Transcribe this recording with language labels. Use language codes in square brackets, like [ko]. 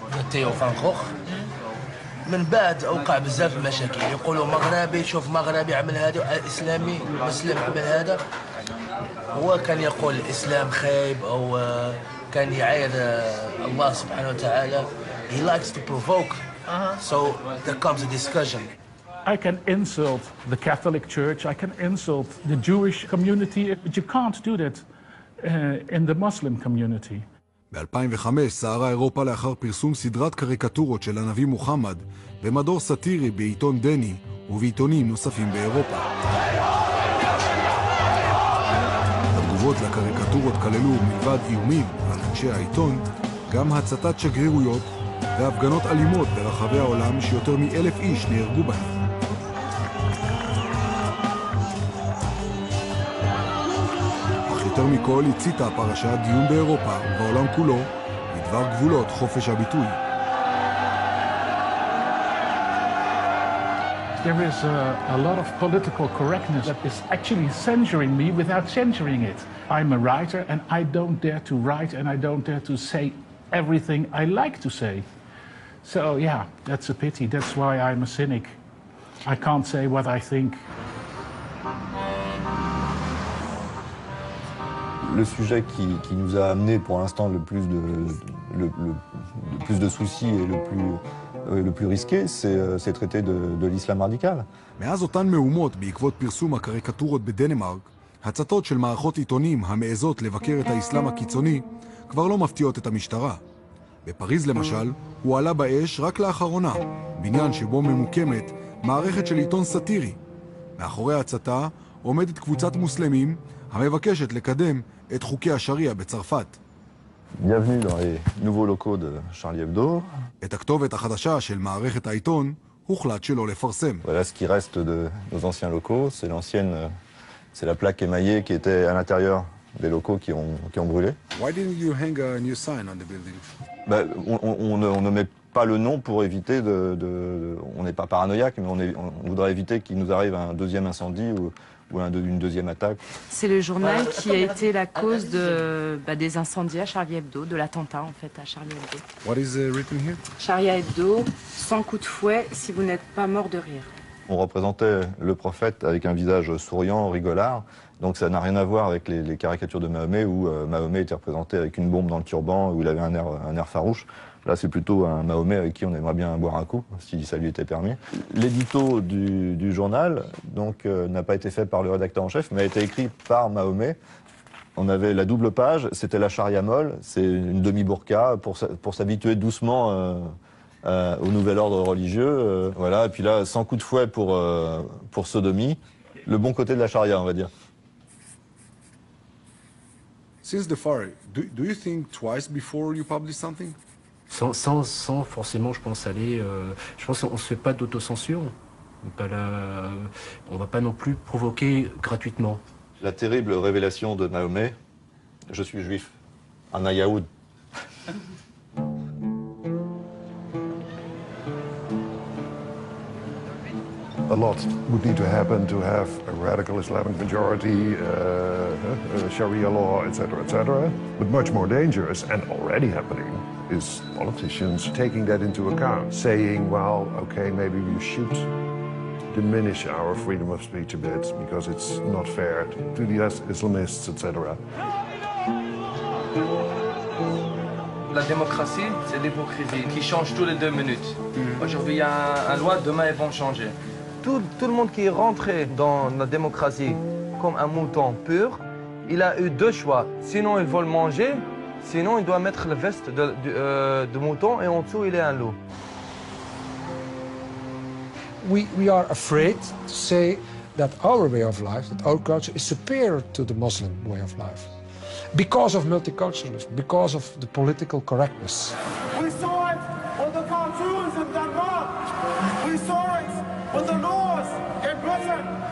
[ar] تيو فان خوخ من بعد اوقع بزاف المشاكل يقولوا مغربي شوف مغربي عمل هذا اسلامي مسلم عمل هذا هو كان يقول الاسلام خايب او كان يعاير الله سبحانه وتعالى [en] he likes to provoke so there comes a discussion I can insult the Catholic Church I can insult the Jewish community but you can't do that in the Muslim community [he] ב-2005 סערה אירופה לאחר פרסום סדרת קריקטורות של הנביא מוחמד במדור סטירי בעיתון דני ובעיתונים נוספים באירופה. התגובות לקריקטורות כללו מלבד איומים על אנשי העיתון, גם הצתת שגרירויות והפגנות אלימות ברחבי העולם שיותר מ-1,000 איש נהרגו בהן. יותר מכל הציתה הפרשה דיון באירופה ובעולם כולו בדבר גבולות חופש הביטוי. [en] There is a lot of political correctness that is actually censoring me without censoring it. I'm a writer and I don't dare to write and I don't dare to say everything I like to say. So yeah, that's a pity. That's why I'm a cynic. I can't say what I think. [fr] Le sujet qui nous a amené pour l'instant le plus de soucis et le plus risqué, c'est traiter de l'islam radical. [he] מאז אותן מהומות בעקבות פרסום הקריקטורות בדנמרק, הצתות של מערכות עיתונים המעזות לבקר את האסלאם הקיצוני כבר לא מפתיעות את המשטרה. בפריז למשל, הוא עלה באש רק לאחרונה, בניין שבו ממוקמת מערכת של עיתון סטירי. מאחורי הצתה עומדת קבוצת מוסלמים המבקשת לקדם את חוקי השריעה בצרפת. [fr] Bienvenue dans les nouveaux locaux de Charlie Hebdo. [he] את הכתובת החדשה של מערכת העיתון הוחלט שלא לפרסם. [fr] Voilà ce qui reste de nos anciens locaux, c'est l'ancienne, c'est la plaque émaillée qui était à l'intérieur des locaux qui ont brûlé. [en] Why didn't you hang a new sign on the building? [fr] On ne met pas le nom pour éviter on n'est pas paranoïaque, mais on voudrait éviter qu'il nous arrive un deuxième incendie ou une deuxième attaque. C'est le journal qui a été la cause des incendies à Charlie Hebdo, de l'attentat en fait à Charlie Hebdo. [en] What is written here? [fr] Charlie Hebdo, 100 coups de fouet si vous n'êtes pas mort de rire. On représentait le prophète avec un visage souriant, rigolard, donc ça n'a rien à voir avec les caricatures de Mahomet où Mahomet était représenté avec une bombe dans le turban, où il avait un air farouche. Là, c'est plutôt un Mahomet avec qui on aimerait bien boire un coup, si ça lui était permis. L'édito du journal donc, n'a pas été fait par le rédacteur en chef, mais a été écrit par Mahomet. On avait la double page, c'était la charia molle, c'est une demi-burqa pour s'habituer doucement au nouvel ordre religieux. Voilà. Et puis là, 100 coups de fouet pour sodomie, le bon côté de la charia, on va dire. [en] Since the fire, do you think twice before you publish something? [fr] sans forcément, je pense, aller... je pense qu'on ne se fait pas d'autocensure. Pas la... On ne va pas non plus provoquer gratuitement. La terrible révélation de Mahomet, je suis juif, un Yahoud. [en] A lot would need to happen to have a radical Islamic majority, Sharia law, etc., etc. But much more dangerous and already happening is politicians taking that into account, saying, well, okay, maybe we should diminish our freedom of speech a bit because it's not fair to the Islamists, etc. [fr] La démocratie, c'est l'hypocrisie qui change tous les deux minutes. Aujourd'hui, il y a une loi, demain, elles vont changer. Tout le monde qui est rentré dans la démocratie comme un mouton pur, il a eu deux choix. Sinon, ils veulent manger, sinon, il doit mettre la veste de mouton et en dessous, il est un loup. [en] We are afraid to say that our way of life, that our culture is superior to the Muslim way of life. Because of multiculturalism, because of the political correctness. We saw it on the cartoons in Denmark. We saw it on the laws in Britain.